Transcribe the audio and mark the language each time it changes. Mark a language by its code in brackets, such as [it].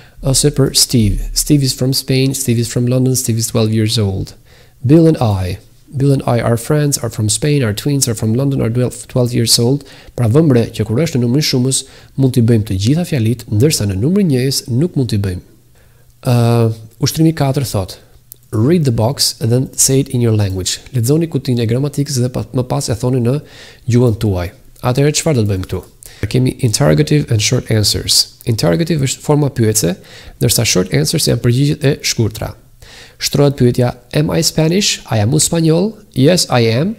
[en] Ose për Steve. Steve is from Spain. Steve is from London. Steve is 12 years old. Bill and I. Bill and I are friends, are from Spain, are twins, are from London, are 12 years old. [sq] Pra vëmbre që kur është në numrin shumës, mund t'i bëjmë të gjitha fjalit, ndërsa në numrin njëjës nuk mund t'i bëjmë. Ushtrimi 4 thot, [en] read the box and then say it in your language. [sq] Lexoni kutinë e gramatikës dhe më pas e thoni në gjuhën tuaj. Atëherë çfarë do të bëjmë këtu? Kemi interrogative and short answers. Interrogative është forma pyetëse, ndërsa short answers janë përgjigjet e shkurtra. Shtrohet pyetja, [en] am I Spanish? I am Spanjol? Yes, I am.